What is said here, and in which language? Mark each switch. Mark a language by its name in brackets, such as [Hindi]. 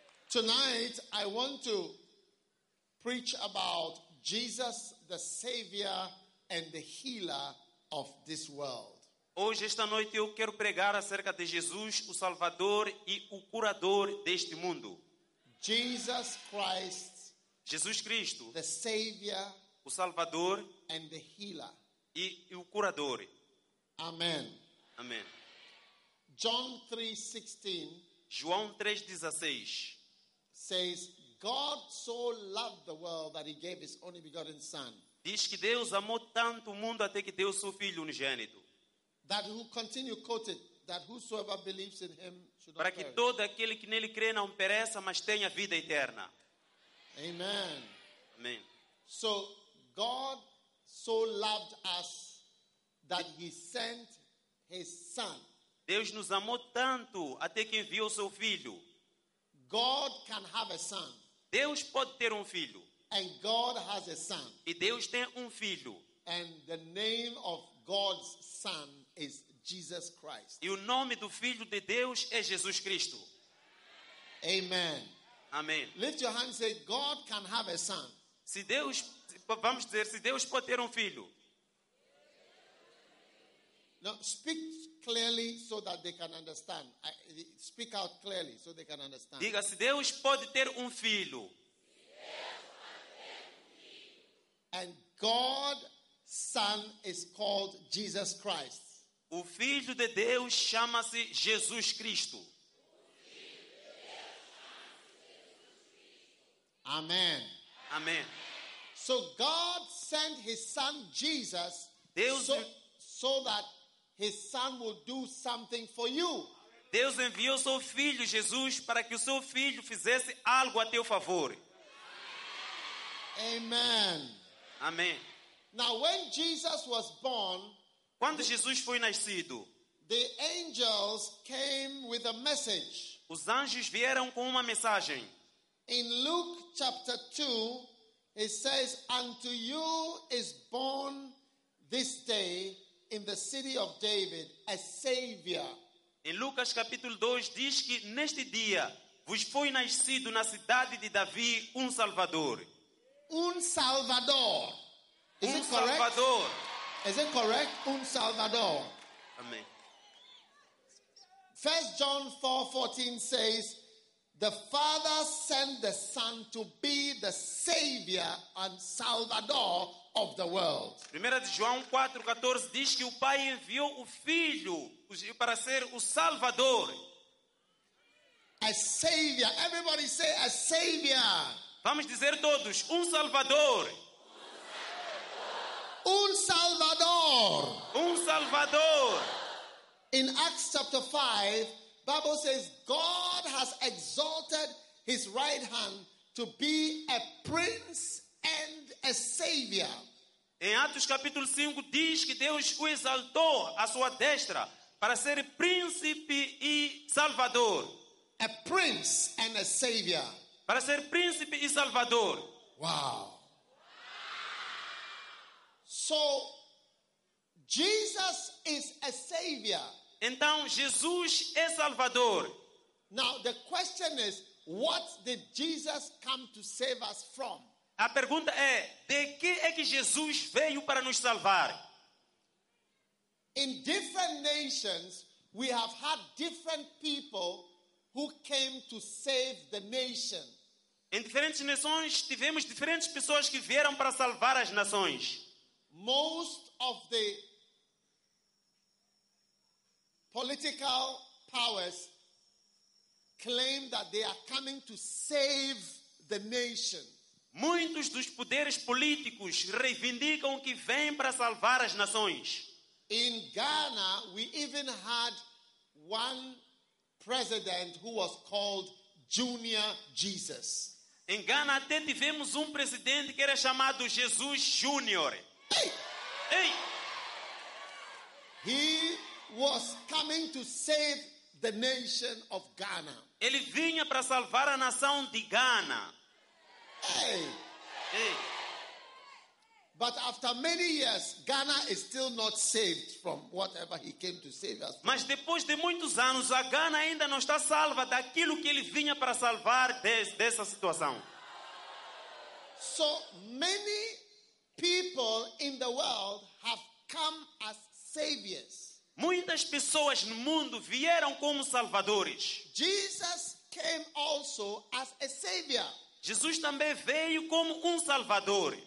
[English] Tonight I want to preach about Jesus, the Savior and the Healer of this world. [Portuguese] Hoje esta noite eu quero pregar acerca de Jesus, o Salvador e o Curador deste mundo. [English] Jesus Christ. [Portuguese] Jesus Cristo. [English] The Savior. [Portuguese] O Salvador. [English] And the Healer. [Portuguese] E o Curador. [English] Amen. [Portuguese] Amen. [English] John 3:16. [Portuguese] João 3:16 [English] says God so loved the world that he gave his only begotten son. [Portuguese] Diz que Deus amou tanto o mundo até que deu seu filho unigênito. [English] That who continue quoted that whosoever believes in him should not [Portuguese] Para que todo aquele que nele crê não pereça, mas tenha vida eterna. [English] Amen. [Portuguese] Amen. [English] So God so loved us that he sent his son. [Portuguese] Deus nos amou tanto até que enviou seu filho. [English] God can have a son. [Portuguese] Deus pode ter filho. [English] And God has a son. [Portuguese] E Deus tem filho. [English] And the name of God's son is Jesus Christ. [Portuguese] E o nome do filho de Deus é Jesus Cristo. [English] Amen. [Portuguese] Amém. [English] Lift your hand and say God can have a son. [Portuguese] Se Deus, vamos dizer, se Deus pode ter filho. [English] Now speak clearly so that they can understand. Speak out clearly so they can understand. [Portuguese] Diga se Deus pode ter filho. [English] And God's son is called Jesus Christ. [Portuguese] O filho de Deus chama-se Jesus Cristo. [English] Amen. [Portuguese] Amen. [English] So God sent his son Jesus so that his son will do something for you. [Portuguese] Deus enviou seu filho Jesus para que o seu filho fizesse algo a teu favor. [English] Amen. [Portuguese] Amém. [English] Now when Jesus was born, [Portuguese] quando Jesus foi nascido, [English] the angels came with a message. [Portuguese] Os anjos vieram com mensagem. [English] In Luke chapter 2, it says, "Unto you is born this day in the city of David a Savior." [Portuguese] Em Lucas capítulo 2 diz que neste dia vos foi nascido na cidade de Davi Salvador. Salvador. [English] Is it correct? Salvador. Is it correct? Salvador. Amen. 1 John 4:14 says, "The Father sent the Son to be the Savior and Salvador of the world." [Portuguese] 1 João 4:14 diz que o Pai enviou o Filho para ser o Salvador. [English] A Savior. Everybody say a Savior. [Portuguese] Vamos dizer todos, Salvador. Salvador. Salvador. [English] In Acts chapter 5, Bible says, God has exalted his right hand to be a prince and a savior. [Portuguese] Em Atos capítulo 5, diz que Deus o exaltou à sua destra para ser príncipe e salvador. [English] A prince and a savior. [Portuguese] Para ser príncipe e salvador. [English] Wow. So Jesus is a savior. [Portuguese] Então Jesus é salvador. [English] Now the question is, what did Jesus come to save us from? [Portuguese] A pergunta é, de que que Jesus veio para nos salvar? [English] In different nations, we have had different people who came to save the nation. [Portuguese] Em diferentes nações tivemos diferentes pessoas que vieram para salvar as nações. [English] Most of the political powers claim that they are coming to save the nation. [Portuguese] Muitos dos poderes políticos reivindicam que vêm para salvar as nações. [English] In Ghana, we even had one president who was called Junior Jesus. [Portuguese] Em Ghana até tivemos presidente que era chamado Jesus Júnior. Hey! Hey! [English] He was coming to save the nation of Ghana. [Portuguese] Ele vinha para salvar a nação de Ghana. Hey. Hey. [English] But after many years, Ghana is still not saved from whatever he came to save us from. [Portuguese] Mas depois de muitos anos, a Ghana ainda não está salva daquilo que ele vinha para salvar dessa situação. [English] So many people in the world have come as saviors. [Portuguese] Muitas pessoas no mundo vieram como salvadores. [English] Jesus came also as a savior. [Portuguese] Jesus também veio como salvador.